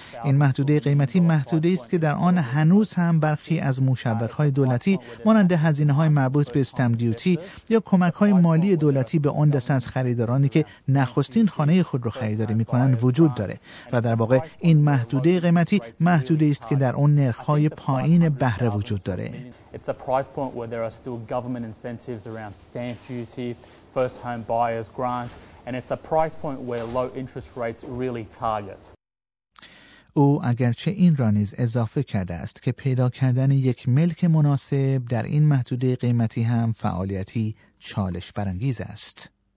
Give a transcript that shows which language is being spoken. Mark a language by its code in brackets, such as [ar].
[fa] این محدوده قیمتی محدوده است که در آن هنوز هم برخی از مشوق‌های دولتی مانند هزینه‌های مربوط به استم دیوتی یا کمک‌های مالی دولتی به آن دست از خریدارانی که نخستین خانه خود را خریداری می‌کنند وجود دارد و در واقع این محدوده قیمتی محدوده است که در آن نرخ‌های پایین بهره وجود دارد. [en] It's a price point where there are still government incentives around stamp duty, first home buyers grant, and it's a price point where low interest rates really target. [fa] او اگرچه این را نیز اضافه کرده است که پیدا کردن یک ملک مناسب در این محدوده قیمتی هم فعالیتی چالش برانگیز است.